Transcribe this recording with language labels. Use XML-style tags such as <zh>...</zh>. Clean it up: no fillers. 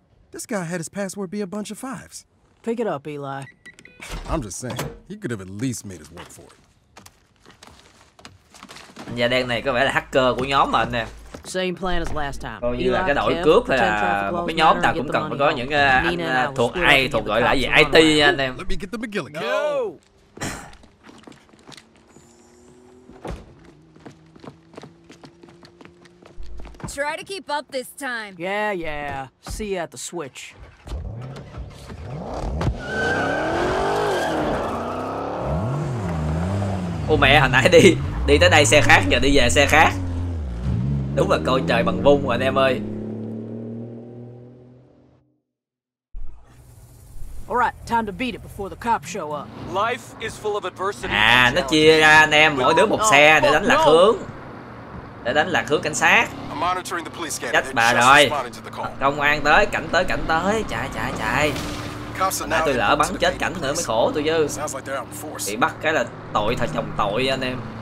<en>This guy had his password be a bunch of fives. Pick it up, Eli. I'm just saying, he could have at least made his work for it.</en> <vi>Anh da đen này có vẻ là hacker của nhóm mà anh nè.</vi> <en>Same plan as last time.</en> <vi>Coi như là cái đội cướp là một cái nhóm nào cũng cần phải có những anh thuộc ai thuộc gọi là gì IT nha anh em.</vi> <en>Let me get the McGillicuddy. No. Go. Try to keep up this time. Yeah, yeah. See you at the switch.</en> <vi>Ô mẹ, hồi nãy đi, đi tới đây xe khác, giờ đi về xe khác. Đúng là coi trời bằng vung rồi anh em ơi.</vi> <en>Alright, time to beat it before the cops show up. Life is full of adversity.</en> <vi>À, nó chia ra anh em mỗi đứa một xe để đánh lạc hướng. Để đánh lạc hướng cảnh sát. Chết bà rồi. Công an tới, cảnh tới, cảnh tới. Chạy, chạy, chạy. Hồi nãy tôi lỡ bắn chết cảnh nữa mới khổ tôi chứ. Bị bắt cái là tội thật chồng tội anh em.</vi>